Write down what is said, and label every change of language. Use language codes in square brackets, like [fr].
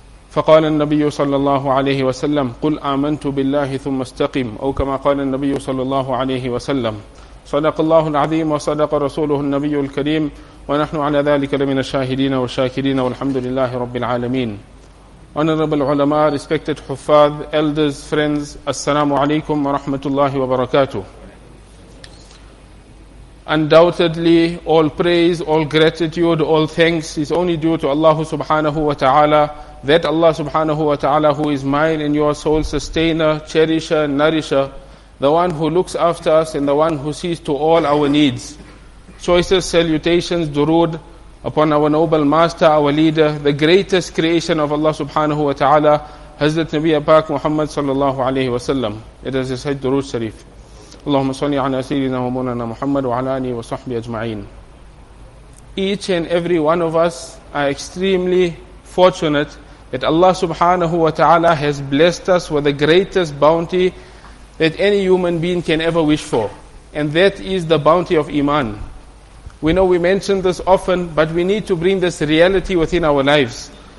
[ar] فقال النبي صلى الله عليه وسلم قل آمنت بالله ثم استقم أو كما قال النبي صلى الله عليه وسلم صدق الله العظيم وصدق رسوله النبي الكريم ونحن على ذلك لمن الشاهدين والشاكرين والحمد لله رب العالمين [en] Honorable [ar] علماء, [en] respected [ar] حفاظ, [en] elders, friends, [ar] السلام عليكم ورحمة الله وبركاته. [en] Undoubtedly, all praise, all gratitude, all thanks is only due to Allah subhanahu wa ta'ala, that Allah subhanahu wa ta'ala who is mine and your soul sustainer, cherisher, nourisher, the one who looks after us and the one who sees to all our needs. Choices, salutations, durood upon our noble master, our leader, the greatest creation of Allah subhanahu wa ta'ala, Hazrat Nabi Pak Muhammad sallallahu alayhi wa sallam. It is his head durood sharif. [ar] اللهم صل على سيدنا ومولانا محمد وعلى آله وصحبه أجمعين. [en] Each and every one of us are extremely fortunate that Allah subhanahu wa ta'ala has blessed us with the greatest bounty that any human being can ever wish for. And that is the bounty of Iman. We know we mention this often, but we need to bring this reality within our lives.